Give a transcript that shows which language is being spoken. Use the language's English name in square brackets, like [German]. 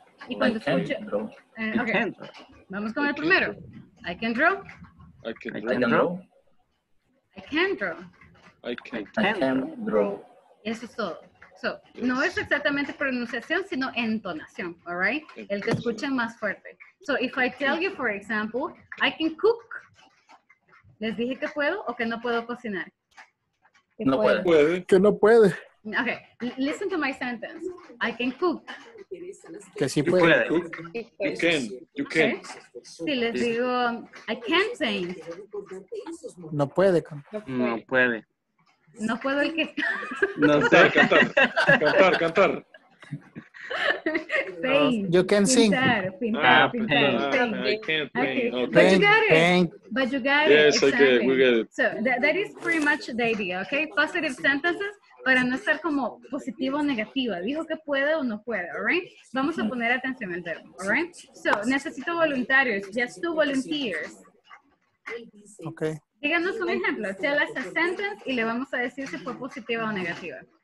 [Spanish] Y cuando escucho, okay. Vamos con el primero. [English] I can draw. I can draw. I can draw. I can draw. [Spanish] Eso es todo. [English] So, yes. [Spanish] No es exactamente pronunciación, sino entonación, [English] all right? [Spanish] El que escuche más fuerte. [English] So, if I tell you, for example, I can cook. [Spanish] ¿Les dije que puedo o que no puedo cocinar? No puede. Puede. Que no puede. [English] Okay, listen to my sentence. I can cook. [Spanish] Que sí puede. [English] You can. You can. You can. Okay. [Spanish] Si les digo, [English] I can sing. [Spanish] No puede. No puede. No puedo el que. No sé. Cantar, cantar. Cantar, cantar. [English] Pain. You can sing. [Spanish] Pintar, pintar, pintar. [English] Okay. But you got it. Yes, exactly. Okay, we get it. So that is pretty much the idea, okay? Positive sentences. [Spanish] Para no estar como positiva o negativa. Dijo que puede o no puede, [English] all right? [Spanish] Vamos a poner atención al verbo, [English] all right? So, [Spanish] necesito voluntarios. [English] Just two volunteers. Okay. [Spanish] Díganos un ejemplo. [English] Tell us a sentence [Spanish] y le vamos a decir si fue positiva o negativa.